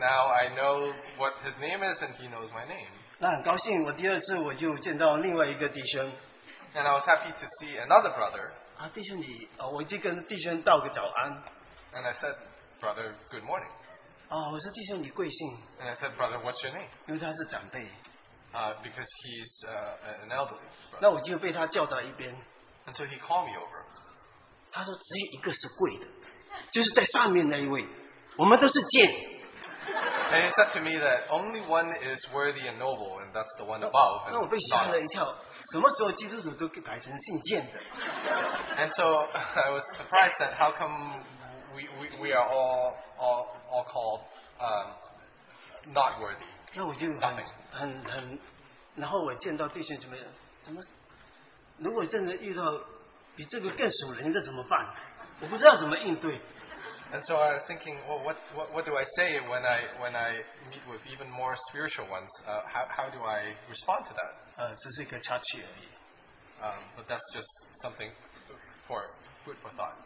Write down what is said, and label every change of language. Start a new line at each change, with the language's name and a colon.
English: Now I know what his name is and he knows my name.
Chinese: 那很高兴，我第二次我就见到另外一个弟兄。
English: And I was happy to see another brother.
Chinese: 啊，弟兄你，我就跟弟兄道个早安。
English: And I said, Brother, good morning.
Chinese: 我说弟兄你贵姓?
English: And I said, brother, what's your name?
Chinese: 因为他是长辈。
English: Because he's an elderly brother.
Chinese: 那我就被他叫到一边。
English: And so he called me over.
Chinese: 他说只有一个是贵的，就是在上面那一位。我们都是贱。
English: And he said to me that only one is worthy and noble, and that's the one above. And, and so I was surprised that how come we are all called not worthy.
Chinese: 然后我见到弟兄姊妹，怎么如果真的遇到比这个更属灵的怎么办？我不知道怎么应对。
English: And so I was thinking, well, what do I say when I meet with even more spiritual ones? How do I respond to that? But that's just something for food for thought.